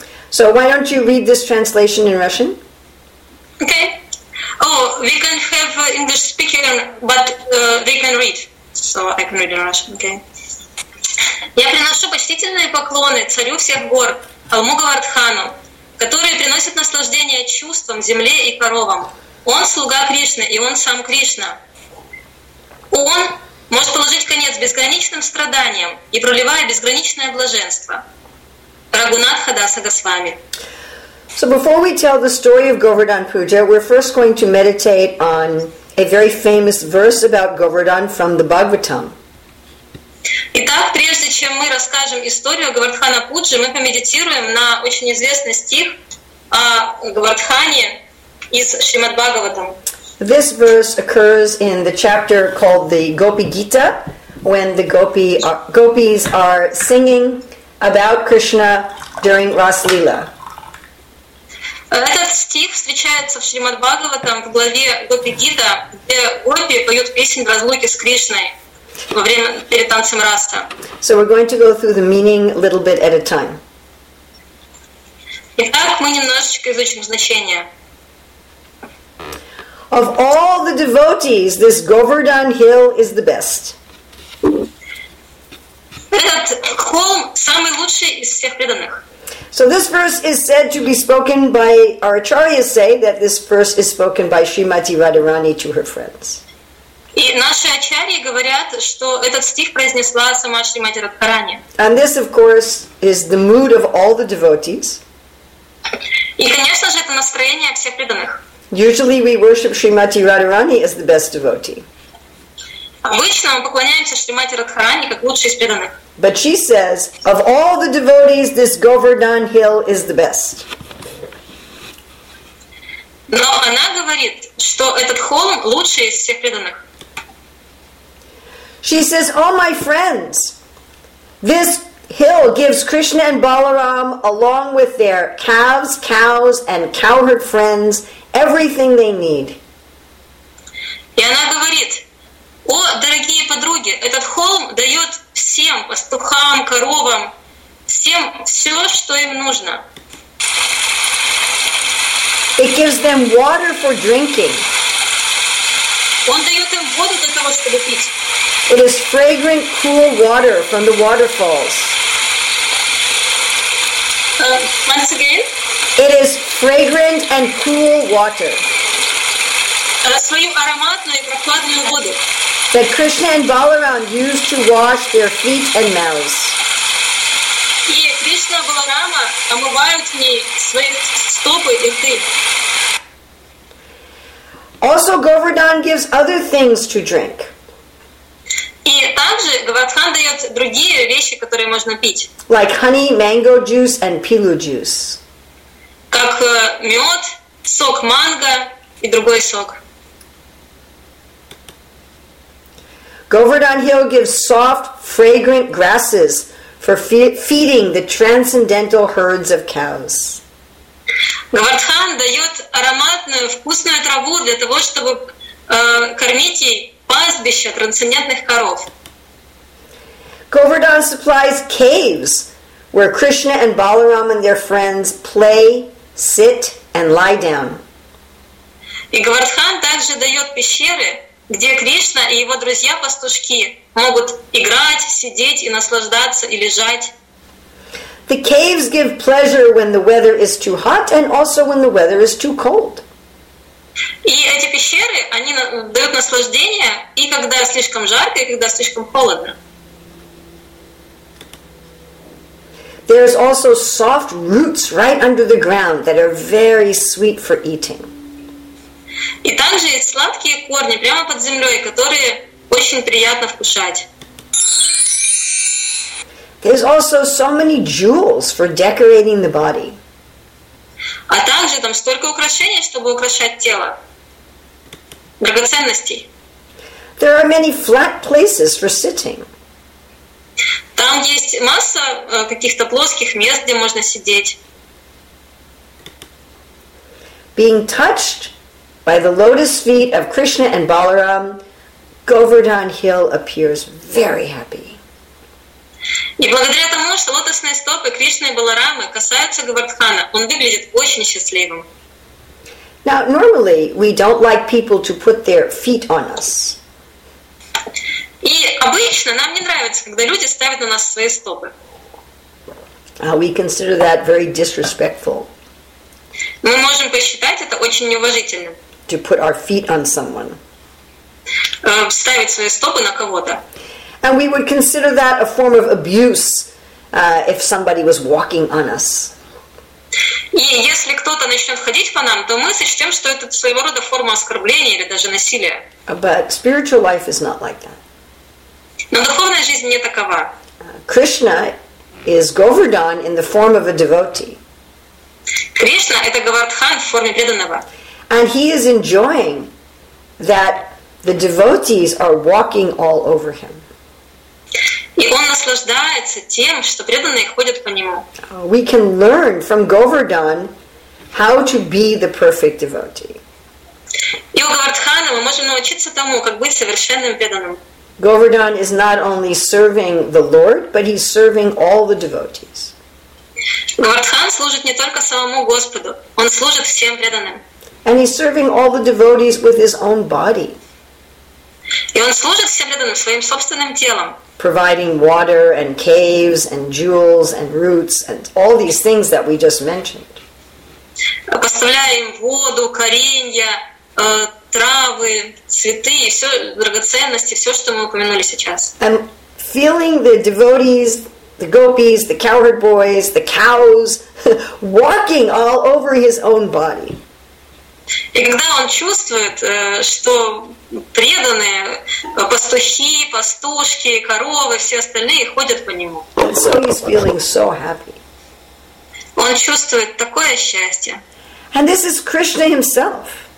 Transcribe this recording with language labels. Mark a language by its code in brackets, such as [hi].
[en] So why don't you read this translation in Russian? Okay. Oh, we can have English speaker, but they can read. So I can read in Russian, okay. [ru] Я приношу почтительные поклоны царю всех гор, холму Говардхану, который приносит наслаждение чувствам, земле и коровам. Он слуга Кришны, и он сам Кришна. Он может положить конец безграничным страданиям и проливая безграничное блаженство. [en] So before we tell the story of Govardhan Puja, we're first going to meditate on a very famous verse about Govardhan from the Bhagavatam. [ru] Итак, прежде чем мы расскажем историю Говардхана Пуджи, мы помедитируем на очень известный стих о Говардхане из Шримад Бхагаватам. [en] This verse occurs in the chapter called the Gopi Gita, when the gopis are singing about Krishna during Rasa-lila. [ru] Этот стих встречается в Шримад Бхагаватам в главе Гопи Гита, где гопи поют песнь разлуки с Кришной во время перед танцем Раса. [en] So we're going to go through the meaning a little bit at a time. [ru] Итак, мы немножечко изучим значение. [en] Of all the devotees, this Govardhan Hill is the best. [ru] Этот холм самый лучший из всех преданных. [en] So this verse is said to be spoken by, our acharyas say that this verse is spoken by Shrimati Radharani to her friends. [ru] И наши ачарьи говорят, что этот стих произнесла сама Шримати Радхарани. [en] And this, of course, is the mood of all the devotees. [ru] И, конечно же, это настроение всех преданных. [en] Usually we worship Shrimati Radharani as the best devotee. [ru] Обычно мы поклоняемся Шримати Радхарани как лучшей из преданных. [en] But she says, of all the devotees, this Govardhan Hill is the best. [ru] Но она говорит, что этот холм лучший из всех преданных. [en] She says, oh my friends, this hill gives Krishna and Balaram, along with their calves, cows, and cowherd friends, everything they need. [ru] И она говорит, о, дорогие подруги, этот холм дает всем, пастухам, коровам, всем все, что им нужно. [en] It gives them water for drinking. [ru] Он дает им воду для того, чтобы пить. [en] It is fragrant, cool water from the waterfalls. Once again. It is fragrant and cool water. [ru] Свою ароматную и прохладную воду. [en] That Krishna and Balaram used to wash their feet and mouths. [ru] И Кришна и Баларама омывают в ней свои стопы и рты. [en] Also, Govardhan gives other things to drink. [ru] И также Говардхан дает другие вещи, которые можно пить. [en] Like honey, mango juice, and pilu juice. [ru] Как мед, сок манго и другой сок. [en] Govardhan Hill gives soft, fragrant grasses for feeding the transcendental herds of cows. [ru] Govardhan дает ароматную, вкусную траву для того, чтобы кормить ей пастбище трансцендентных коров. [en] Govardhan supplies caves where Krishna and Balaram and their friends play, sit, and lie down. [ru] И Govardhan также дает пещеры, где Кришна и его друзья-пастушки могут играть, сидеть и наслаждаться, и лежать. [en] The caves give pleasure when the weather is too hot and also when the weather is too cold. [ru] И эти пещеры, они дают наслаждение и когда слишком жарко, и когда слишком холодно. [en] There is also soft roots right under the ground that are very sweet for eating. [ru] И также есть сладкие корни прямо под землей, которые очень приятно вкушать. [en] There's also so many jewels for decorating the body. [ru] А также там столько украшений, чтобы украшать тело. Драгоценностей. [en] There are many flat places for sitting. [ru] Там есть масса каких-то плоских мест, где можно сидеть. [en] Being touched by the lotus feet of Krishna and Balaram, Govardhan Hill appears very happy. [ru] И благодаря тому, что лотосные стопы Кришны и Баларамы касаются Говардхана, он выглядит очень счастливым. [en] Now, normally, we don't like people to put their feet on us. [ru] И обычно нам не нравится, когда люди ставят на нас свои стопы. [en] We consider that very disrespectful. [ru] Мы можем посчитать это очень неуважительным. [en] To put our feet on someone. [ru] Ставить свои стопы на кого-то. [en] And we would consider that a form of abuse if somebody was walking on us. [ru] И если кто-то начнет ходить по нам, то мы сочтем, что это своего рода форма оскорбления или даже насилия. [en] But spiritual life is not like that. [ru] Но духовная жизнь не такова. [en] Krishna is Govardhan in the form of a devotee. [ru] Кришна — это Говардхан в форме преданного. [en] And he is enjoying that the devotees are walking all over him. [ru] И он наслаждается тем, что преданные ходят по нему. [en] We can learn from Govardhan how to be the perfect devotee. [ru] И у Говардхана мы можем научиться тому, как быть совершенным преданным. [en] Govardhan is not only serving the Lord, but he's serving all the devotees. [ru] Говардхан служит не только самому Господу, он служит всем преданным. [en] And he's serving all the devotees with his own body. [ru] И он служит всем преданным своим собственным телом. [en] Providing water and caves and jewels and roots and all these things that we just mentioned. [ru] Поставляя им воду, коренья, травы, цветы, и все драгоценности, все, что мы упомянули сейчас. [en] And feeling the devotees, the gopis, the cowherd boys, the cows, walking all over his own body. [ru] И когда он чувствует, что преданные пастухи, пастушки, коровы, все остальные ходят по нему. [en] So he's feeling so happy. [ru] Он чувствует такое счастье. [en] And this is Krishna himself.